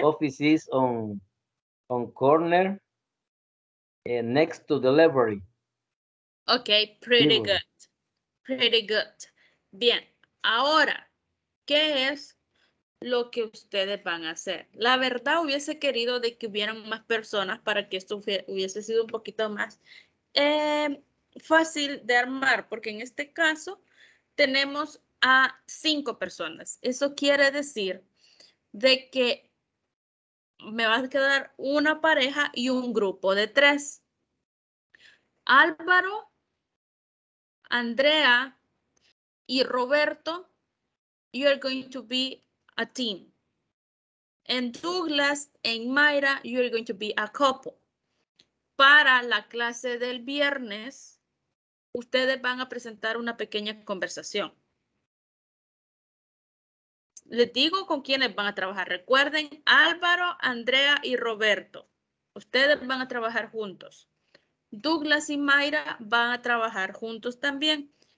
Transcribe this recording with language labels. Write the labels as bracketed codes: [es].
[en] post office is on corner and next to the library. Okay, pretty here. Good. Pretty good. Bien. [es] Ahora, ¿qué es lo que ustedes van a hacer? La verdad, hubiese querido de que hubieran más personas para que esto hubiese sido un poquito más fácil de armar, porque en este caso tenemos a 5 personas. Eso quiere decir de que me va a quedar una pareja y un grupo de 3. [en] Álvaro, Andrea y Roberto, you are going to be a team. And Douglas and Mayra, you are going to be a couple. [es] Para la clase del viernes, ustedes van a presentar una pequeña conversación. Les digo con quiénes van a trabajar. Recuerden, Álvaro, Andrea y Roberto. Ustedes van a trabajar juntos. Douglas y Mayra van a trabajar juntos también.